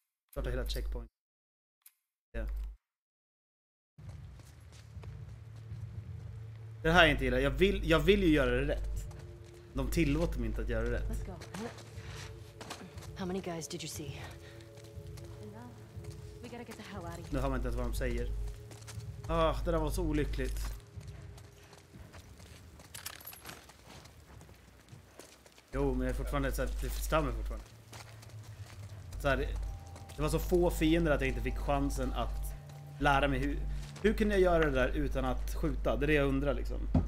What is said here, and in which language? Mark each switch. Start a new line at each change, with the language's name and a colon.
Swedish: Starta hela checkpoint. Ja. Det här är inte illa. Jag vill ju göra det rätt. De tillåter mig inte att göra det rätt.
English: How many guys did you see? Enough. We gotta get the hell out of here.
Swedish: Nu har man inte ens vad de säger. Det där var så olyckligt. Jo, men jag är fortfarande så här, det stämmer fortfarande. Så här, det var så få fiender att jag inte fick chansen att lära mig hur kunde jag göra det där utan att skjuta? Det är det jag undrar liksom.